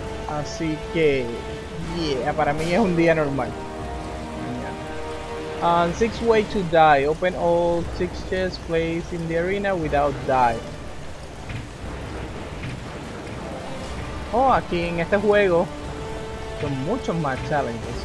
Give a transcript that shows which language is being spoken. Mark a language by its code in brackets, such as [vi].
[es] Así que, [en] yeah, [es] para mí es un día normal. [en] Six way to die. Open all six chests placed in the arena without die. [es] Oh, aquí en este juego son muchos más challenges.